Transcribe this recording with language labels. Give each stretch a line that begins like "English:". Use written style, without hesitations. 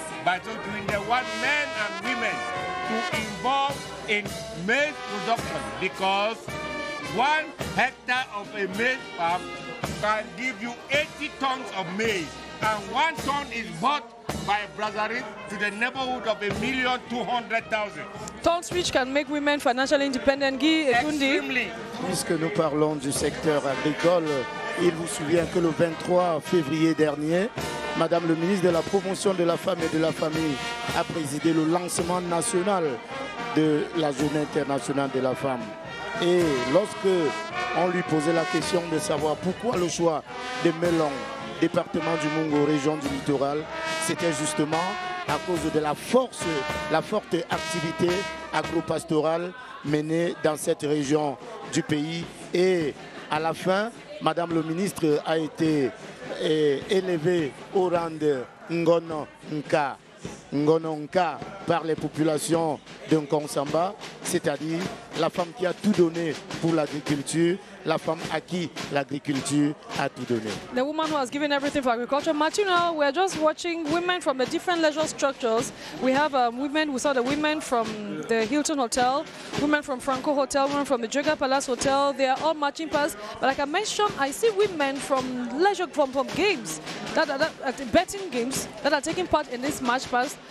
English: By so doing, they want men and women to involve in maize production because 1 hectare of a maize farm can give you 80 tons of maize, and 1 ton is bought by Brazzaris to the neighborhood of 1,200,000. Tons which can make women financially independent. Guy Ekundi. Extremely.
French: Puisque nous parlons du secteur agricole, il vous souvient que le 23 février dernier, Madame le ministre de la Promotion de la Femme et de la Famille a présidé le lancement national de la Journée internationale de la femme. Et lorsque on lui posait la question de savoir pourquoi le choix de Melong, département du Mungo, région du littoral, c'était justement à cause de la forte activité agropastorale menée dans cette région du pays. Et à la fin, Madame le ministre a été élevée au rang de Ngononka par les populations de Nkonsamba, c'est-à-dire la femme qui a tout donné pour l'agriculture, la femme à qui l'agriculture a tout donné.
English: The woman who has given everything for agriculture. Martino, we are just watching women from the different leisure structures. We have women, we saw the women from the Hilton Hotel, women from Franco Hotel, women from the Jugger Palace Hotel. They are all marching past. But like I mentioned, I see women from leisure, from games, betting games that are taking part in this march past.